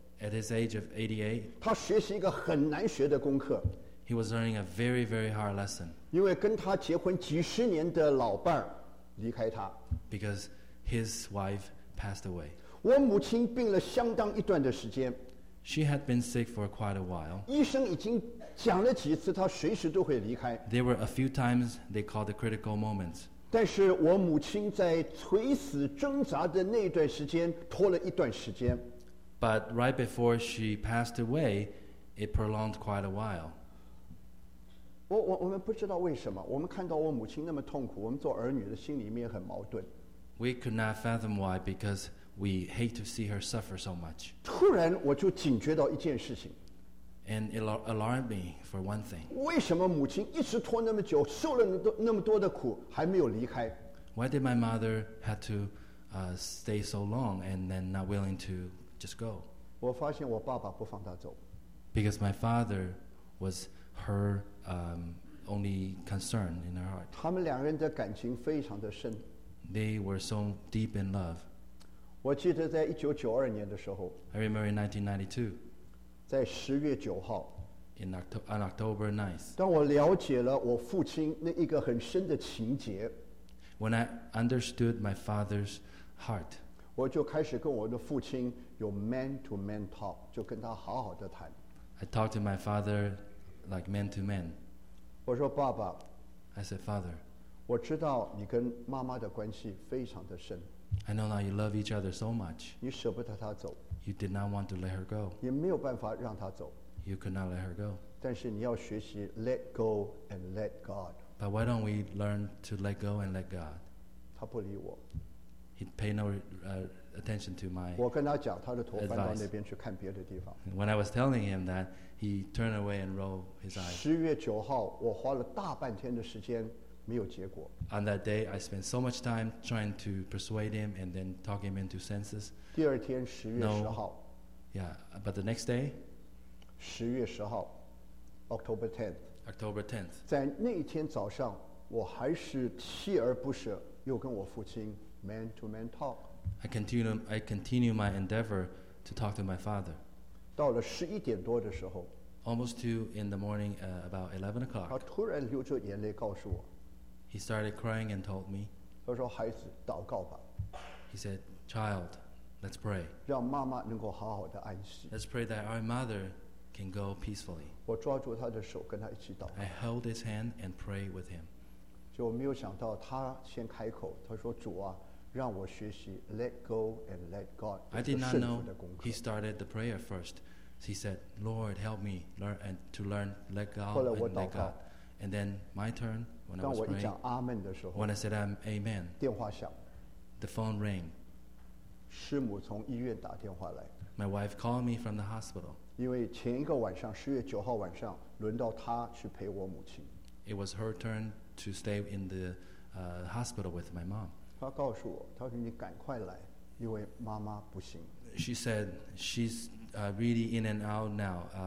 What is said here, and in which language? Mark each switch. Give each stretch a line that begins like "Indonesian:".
English: At his age of 88,
Chinese: 他学习一个很难学的功课。
English: He was learning a very, very hard lesson.
Chinese: 因为跟他结婚几十年的老伴离开他。
English: Because his wife passed away.
Chinese: 我母亲病了相当一段的时间。
English: She had been sick for quite a while.
Chinese: 医生已经讲了几次，她随时都会离开。
English: There were a few times they called the critical moments.
Chinese: 但是我母亲在垂死挣扎的那段时间，拖了一段时间。
English: But right before she passed away, it prolonged quite a while.
Chinese: 我们不知道为什么，我们看到我母亲那么痛苦，我们做儿女的心里面很矛盾。
English: We could not fathom why, because we hate to see her suffer so much.
Chinese: 突然我就警觉到一件事情。
English: And it alarmed me for one thing.
Chinese: 为什么母亲一直拖那么久，受了那么多的苦，还没有离开？
English: Why did my mother have to stay so long and then not willing to just go?
Chinese: 我发现我爸爸不放她走。
English: Because my father was her only concern in her heart.
Chinese: 他们两人的感情非常的深。
English: They were so deep in love.
Chinese: 我记得在1992年的时候
English: I remember in 1992
Chinese: 在10月9号
English: On October 9th
Chinese: 当我了解了我父亲那一个很深的情结
English: When I understood my father's heart
Chinese: 我就开始跟我的父亲有
English: man to man talk
Chinese: 就跟他好好的谈
English: I talked to my father like man to man
Chinese: 我说爸爸
English: I said father
Chinese: 我知道你跟妈妈的关系非常的深
English: I know now you love each other so much.
Chinese: 你舍不得她走。
English: You did not want to let her go.
Chinese: 也没有办法让她走。
English: You could not let her go.
Chinese: 但是你要学习
English: let go and let God. But why don't we learn to let go and let God?
Chinese: 她不理我。
English: He paid no attention to my
Chinese: 我跟她讲，她的头翻到那边去看别的地方。
English: When I was telling him that, he turned away and rolled his eyes.
Chinese: 十月九号，我花了大半天的时间。没有结果。
English: On that day, I spent so much time trying to persuade him and then talk him into senses.
Chinese: 第二天十月十号。
English: Yeah, but the next day,
Chinese: 十月十号
English: October 10th. October 10th.
Chinese: 在那一天早上，我还是锲而不舍，又跟我父亲
English: man to man talk. I continue my endeavor to talk to my father.
Chinese: 到了十一点多的时候，
English: almost 2 in the morning, about 11 o'clock.
Chinese: 他突然流着眼泪告诉我。
English: He started crying and told me.
Chinese: 他说：“孩子，祷告吧。”
English: He said, "Child, let's pray."
Chinese: 让妈妈能够好好的安息。
English: Let's pray that our mother can go peacefully.
Chinese: 我抓住他的手跟他一起祷告。
English: I held his hand and pray with him.
Chinese: 就我没有想到他先开口，他说主啊，让我学习
English: let go and let God. I did not know he started the prayer first. He said, Lord, help me learn and to learn let go and let God. And then my turn, when I was praying,
Chinese: 当我一讲阿门的时候，
English: when I said amen,
Chinese: 电话响，
English: the phone rang.
Chinese: 师母从医院打电话来。
English: My wife called me from the hospital.
Chinese: 因为前一个晚上，十月九号晚上，轮到她去陪我母亲。
English: It was her turn to stay in the hospital with my mom.
Chinese: 她告诉我，她说你赶快来，因为妈妈不行。
English: She said she's really in and out now.